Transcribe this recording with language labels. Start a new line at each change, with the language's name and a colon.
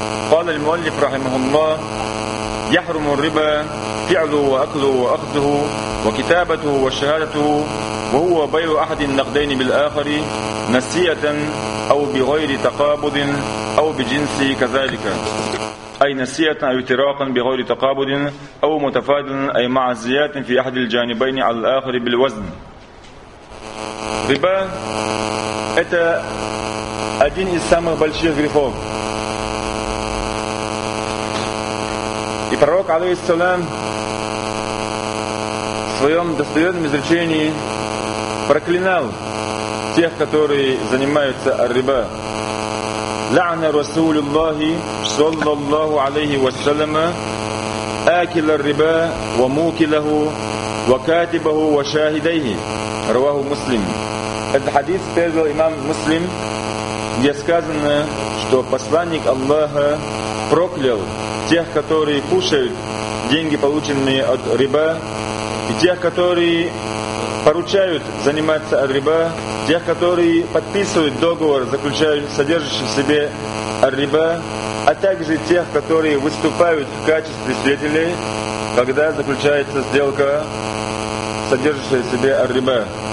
Arabic: قال المؤلف رحمه الله يحرم الربا فعله وأكله وأخذه وكتابته وشهادته وهو بيع أحد النقدين بالآخر نسية أو بغير تقابض أو بجنس كذلك أي نسية أو اعتراقا بغير تقابض أو متفاد أي مع زيادة في أحد الجانبين على الآخر بالوزن.
Russian: ربا это один из самых больших грехов. И пророк алейхиссалям в своем достоверном изречении проклинал тех, которые занимаются ар-риба.
Arabic: لعن رسول الله صلى الله عليه وسلم آكل الربا وموكله وكاتبه وشاهديه رواه مسلم.
Russian: Этот хадис передал имам Муслим, где сказано, что посланник Аллаха проклял тех, которые кушают деньги, полученные от риба, и тех, которые поручают заниматься ар-риба, тех, которые подписывают договор, содержащий в себе ар-риба, а также тех, которые выступают в качестве свидетелей, когда заключается сделка, содержащая в себе ар-риба.